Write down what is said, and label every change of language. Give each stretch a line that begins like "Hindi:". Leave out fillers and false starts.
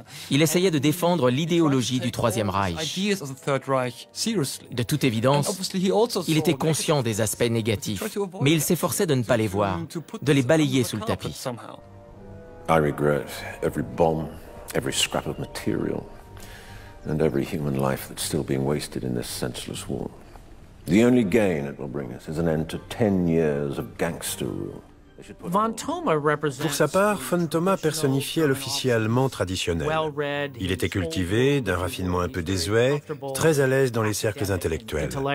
French: Il essayait de défendre l'idéologie du Troisième Reich. De toute évidence, il était conscient des aspects négatifs, mais il s'efforçait de ne pas les voir, de les balayer sous le tapis.
English: I regret every bomb, every scrap of material, and every human life that's still being wasted in this senseless war. The only gain it will bring us is an end to 10 years of gangster rule.
French: Pour sa part, von Thoma personnifiait l'officier allemand traditionnel. Il était cultivé, d'un raffinement un peu désuet, très à l'aise dans les cercles intellectuels.